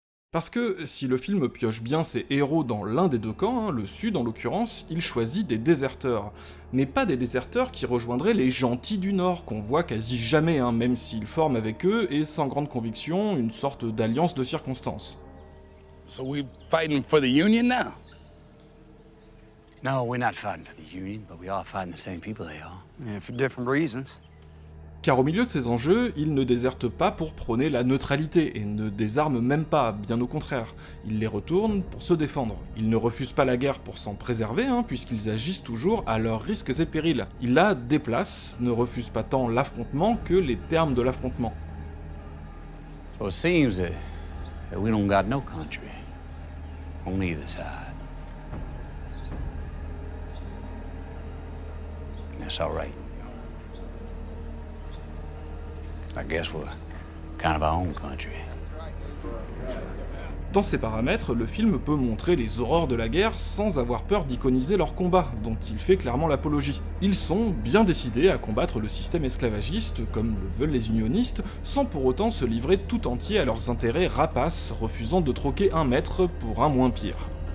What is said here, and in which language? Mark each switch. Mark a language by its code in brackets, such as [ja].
[fr] Parce que si le film pioche bien ses héros dans l'un des deux camps, hein, le Sud en l'occurrence, il choisit des déserteurs. Mais pas des déserteurs qui rejoindraient les gentils du Nord, qu'on voit quasi jamais, hein, même s'ils forment avec eux, et sans grande conviction, une sorte d'alliance de circonstances. [en] So we're fighting for the Union now? No, we're not fighting for the Union, but we are fighting the same people they are. Yeah, for different reasons. [fr] Car au milieu de ces enjeux, ils ne désertent pas pour prôner la neutralité, et ne désarment même pas, bien au contraire. Ils les retournent pour se défendre. Ils ne refusent pas la guerre pour s'en préserver, hein, puisqu'ils agissent toujours à leurs risques et périls. Ils la déplacent, ne refusent pas tant l'affrontement que les termes de l'affrontement. [en] So it seems that we don't got no country on either side. That's all right. I guess we're kind of our own country. [fr] Dans ces paramètres, le film peut montrer les horreurs de la guerre sans avoir peur d'iconiser leurs combats, dont il fait clairement l'apologie. Ils sont bien décidés à combattre le système esclavagiste, comme le veulent les unionistes, sans pour autant se livrer tout entier à leurs intérêts rapaces, refusant de troquer un maître pour un moins pire.